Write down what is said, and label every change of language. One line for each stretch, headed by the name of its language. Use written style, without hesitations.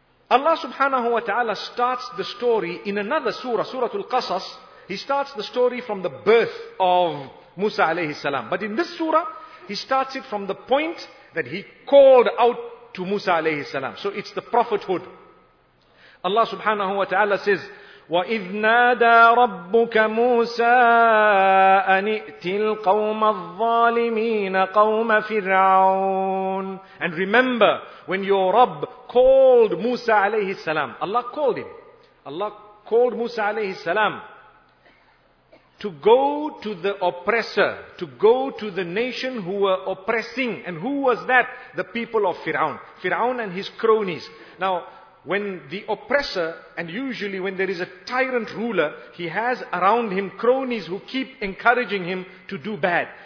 English: Allah subhanahu wa ta'ala starts the story in another surah, Surah Al-Qasas. He starts the story from the birth of Musa alayhi salam. But in this surah, he starts it from the point that he called out to Musa alayhi salam. So it's the prophethood. Allah subhanahu wa ta'ala says,
Arabic: وَإِذْ نَادَى رَبُّكَ مُوسَىٰ أَنْ ائْتِ الْقَوْمَ الظَّالِمِينَ قَوْمَ فِرْعَوْنَ.
English: And remember, when your Rabb called Musa alayhi salam, Allah called him. Allah called Musa alayhi salam to go to the oppressor, to go to the nation who were oppressing. And who was that? The people of Fir'aun. Fir'aun and his cronies. Now, when the oppressor, and usually when there is a tyrant ruler, he has around him cronies who keep encouraging him to do bad.